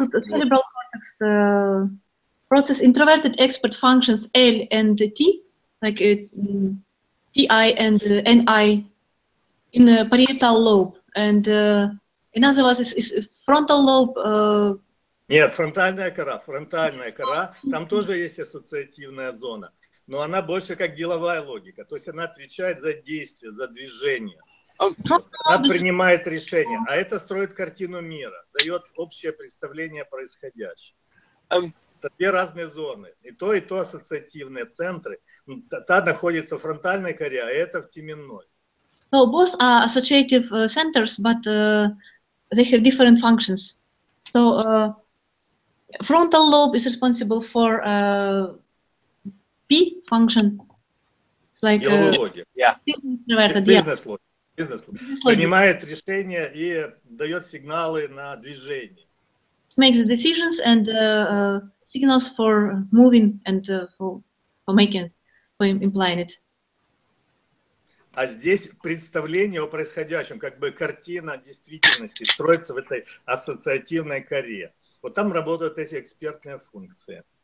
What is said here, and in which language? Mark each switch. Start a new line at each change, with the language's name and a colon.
English: Cerebral cortex process introverted expert functions L and T, like TI and NI in the parietal lobe, and another one is frontal lobe.
Russian: Нет, фронтальная кора, там тоже есть ассоциативная зона, но она больше как деловая логика, то есть она отвечает за действие, за движение, она принимает решение, а это строит картину мира, дает общее представление о происходящем. Это две разные зоны, и то ассоциативные центры, та находится в фронтальной коре, а это в теменной.
English: So both are associative centers, but they have different functions. So, frontal lobe is responsible for P function. It's like business logic.
Russian: Принимает решения и дает сигналы на движение.
English: Makes the decisions and signals for moving and for making, for implying it.
Russian: А здесь представление о происходящем, как бы картина действительности, строится в этой ассоциативной коре. Вот там работают эти экспертные функции.